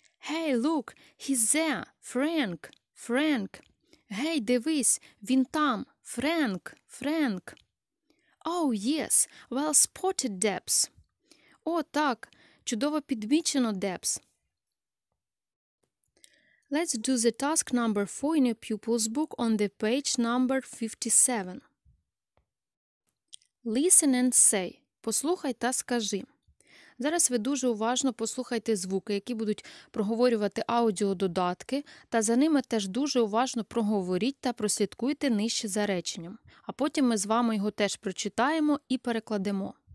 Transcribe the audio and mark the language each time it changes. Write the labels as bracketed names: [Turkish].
[English] Hey, look, he's there. Frank. Frank. Hey, [Ukrainian] дивись, він там. Frank. Frank. [English] Oh, yes. Well spotted, Debs. [Ukrainian] О, так, чудово підмічено, Debs. [English] Let's do the task number 4 in your pupil's book on the page number 57. Listen and say. [Ukrainian] Послухай та скажи. Зараз ви дуже уважно послухайте звуки, які будуть проговорювати аудіододатки, та за ними теж дуже уважно проговоріть та прослідкуйте нижче за реченням. А потім ми з вами його теж прочитаємо і перекладемо.